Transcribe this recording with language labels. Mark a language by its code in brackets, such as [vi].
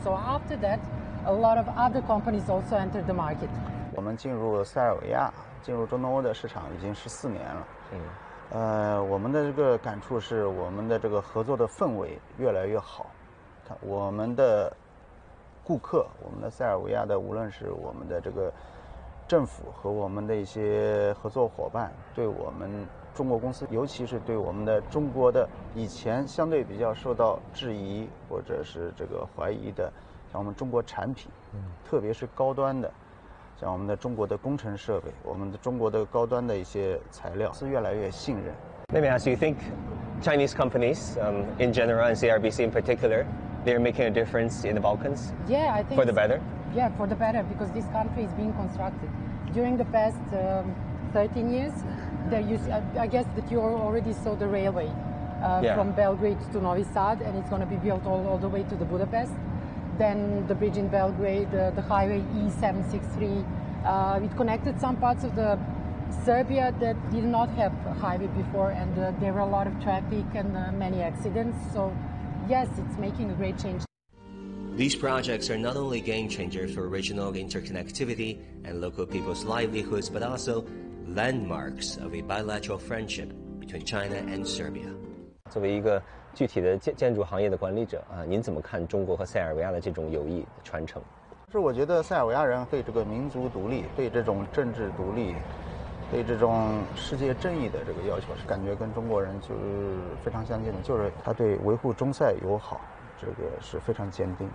[en] So after that, a lot of other companies also entered the market. [zh] 我们进入塞尔维亚，进入中东欧的市场已经14年了。我们的这个感触是，我们的这个合作的氛围越来越好。我们的顾客，我们的塞尔维亚的，无论是我们的这个政府和我们的一些合作伙伴，对我们中国公司，尤其是对我们的中国的以前相对比较受到质疑或者是这个怀疑的，像我们中国产品，特别是高端的，像我们的中国的工程设备，我们的中国的高端的一些材料，是越来越信任。 [en] Let me ask you, think Chinese companies, in general and CRBC in particular, they're making a difference in the Balkans? Yeah, I think for the better. Yeah, for the better, because this country is being constructed during the past 13 years. I guess that you already saw the railway from Belgrade to Novi Sad, and it's going to be built all the way to the Budapest. Then the bridge in Belgrade, the highway E763, it connected some parts of the Serbia that did not have a highway before, and there were a lot of traffic and many accidents. So yes, it's making a great change. These projects are not only game changers for regional interconnectivity and local people's livelihoods, but also landmarks of a bilateral friendship between China and Serbia. [zh] 作为一个具体的建筑行业的管理者啊，您怎么看中国和塞尔维亚的这种友谊传承？是我觉得塞尔维亚人对这个民族独立、对这种政治独立、对这种世界正义的这个要求，是感觉跟中国人就是非常相近的，就是他对维护中塞友好这个是非常坚定。